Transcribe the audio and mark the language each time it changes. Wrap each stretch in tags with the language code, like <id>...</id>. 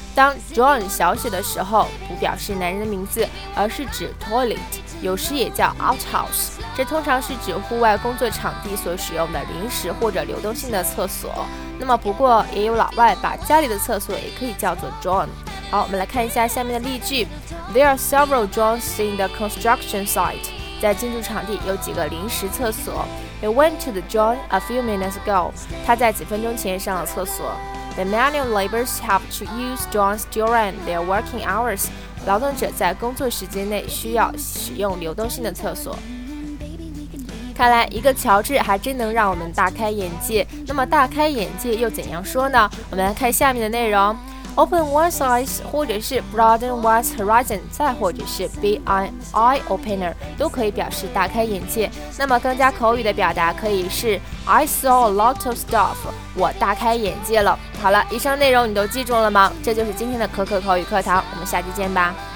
<zh>当 John 小写的时候，不表示男人的名字，而是指 toilet， 有时也叫 outhouse， 这通常是指户外工作场地所使用的临时或者流动性的厕所。那么不过也有老外把家里的厕所也可以叫做 John。好，我们来看一下下面的例句。</zh> <en>There are several Johns in the construction site.</en> <zh>在建筑场地有几个临时厕所。</zh> <en>He went to the John a few minutes ago.</en> <zh>他在几分钟前上了厕所。</zh> <en>The manual laborers have to use Johns during their working hours.</en> <zh>劳动者在工作时间内需要使用流动性的厕所。看来一个乔治还真能让我们大开眼界。那么大开眼界又怎样说呢？我们来看下面的内容。</zh> <en>Open one's eyes</en> <zh>或者是</zh> <en>broaden one's horizon，</en> <zh>再或者是</zh> <en>be an eye-opener，</en> <zh>都可以表示大开眼界。那么更加口语的表达可以是</zh> <en>I saw a lot of stuff，</en> <zh>我大开眼界了。好了，以上内容你都记住了吗？这就是今天的可可口语课堂，我们下期见吧。</zh>